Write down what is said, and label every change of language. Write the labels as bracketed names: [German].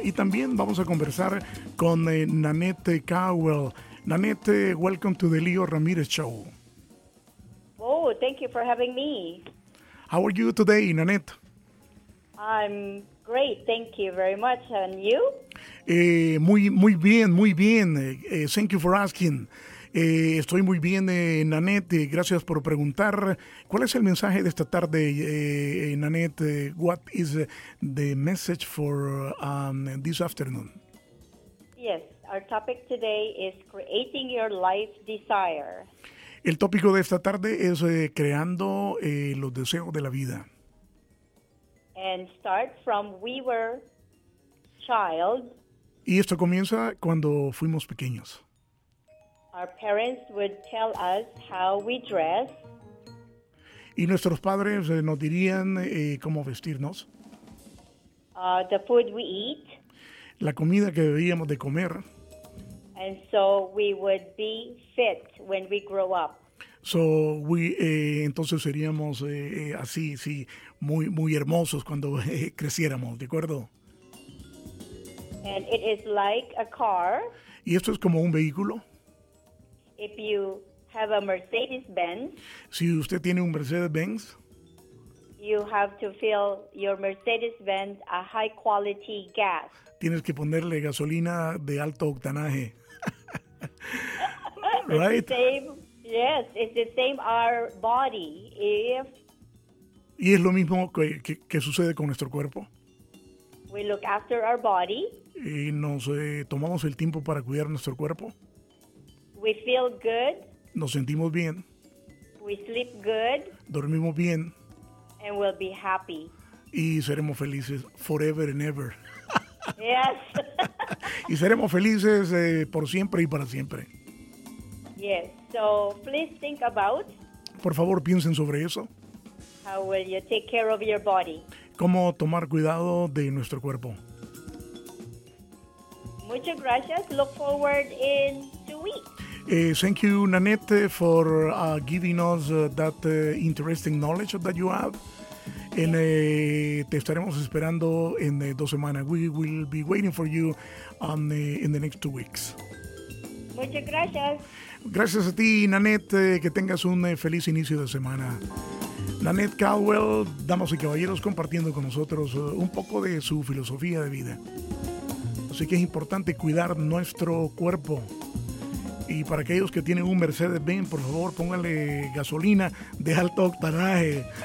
[Spanish] Y también vamos a conversar con Nanette Cowell. [English] Nanette, welcome to the Leo Ramírez Show. Oh, thank you for having me. How are you today, Nanette? I'm great, thank you very much. And you? [Spanish] Muy bien. [English] Thank you for asking. [Spanish] Estoy muy bien, Nanette. Gracias por preguntar. ¿Cuál es el mensaje de esta tarde, Nanette? [English] What is the message for this afternoon? Yes, our topic today is creating your life desire. [Spanish] El tópico de esta tarde es creando los deseos de la vida. [English] And start from we were child. [Spanish] Y esto comienza cuando fuimos pequeños. [English] Our parents would tell us how we dress. [Spanish] Y nuestros padres nos dirían cómo vestirnos. [English] The food we eat. [Spanish] La comida que debíamos de comer. [English] And so we would be fit when we grow up. [Spanish] Entonces seríamos así, sí, muy, muy hermosos cuando creciéramos, ¿de acuerdo? [English] And it is like a car. [Spanish] Y esto es como un vehículo. [English] If you have a Mercedes-Benz, [Spanish] si usted tiene un Mercedes-Benz, [English] you have to fill your Mercedes-Benz a high quality gas. [Spanish] Tienes que ponerle gasolina de alto octanaje. [English] Right? Yes, it's the same our body. If [Spanish] y es lo mismo que sucede con nuestro cuerpo. [English] We look after our body. [Spanish] Y nos tomamos el tiempo para cuidar nuestro cuerpo. [English] We feel good. [Spanish] Nos sentimos bien. [English] We sleep good. [Spanish] Dormimos bien. [English] And we'll be happy. [Spanish] Y seremos felices [English] forever and ever. Yes. [Spanish] Y seremos felices por siempre y para siempre. [English] Yes. So please think about. [Spanish] Por favor, piensen sobre eso. [English] How will you take care of your body? [Spanish] ¿Cómo tomar cuidado de nuestro cuerpo? Muchas gracias. [English] Look forward in 2 weeks. Thank you, Nanette, for giving us that interesting knowledge that you have. Yes. And [Spanish] te estaremos esperando en 2 semanas. [English] We will be waiting for you in the next 2 weeks. [Spanish] Muchas gracias. Gracias a ti, Nanette. Que tengas un feliz inicio de semana. Nanette Cowell, damas y caballeros, compartiendo con nosotros un poco de su filosofía de vida. Así que es importante cuidar nuestro cuerpo. Y para aquellos que tienen un Mercedes-Benz, por favor, póngale gasolina de alto octanaje.